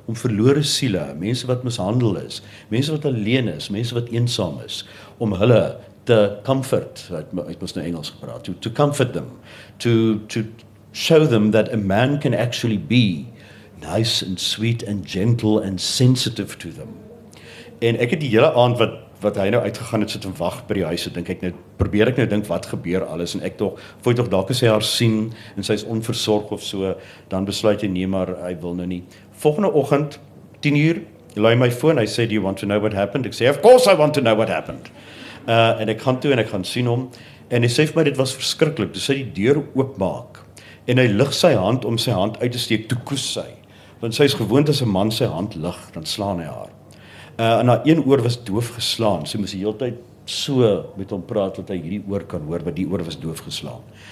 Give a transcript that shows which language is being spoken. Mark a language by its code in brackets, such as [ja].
[af] om verlore siele, mense wat mishandel is, mense wat alleen is, mense wat eensaam is, om hulle te comfort, ek moet nou Engels gepraat, [en] to comfort them, to show them that a man can actually be nice and sweet and gentle and sensitive to them. [af] En ek het die hele aand wat hy nou uitgegaan het, sit en wag by die huis, probeer ek nou dink wat gebeur alles, en ek toch, voel toch dalk as hy haar sien, en sy is onversorg of so, dan besluit hy nee, maar hy wil nou nie. Volgende ochend, 10:00, laai my phone, hy sê, [en] do you want to know what happened? [af] Ek sê, [en] of course I want to know what happened. [af] En ek gaan toe en ek gaan sien hom, en hy sê vir my, dit was verskrikkelijk, dus hy die deur oopmaak, en hy lig sy hand om sy hand uit te steek, toe koes sy, want sy is gewoond as 'n man sy hand lig, dan slaan hy haar. En haar een oor was doof geslaan, sy moes die hele tyd so met hom praat, dat hy hierdie oor kan hoor, want die oor was doof geslaan.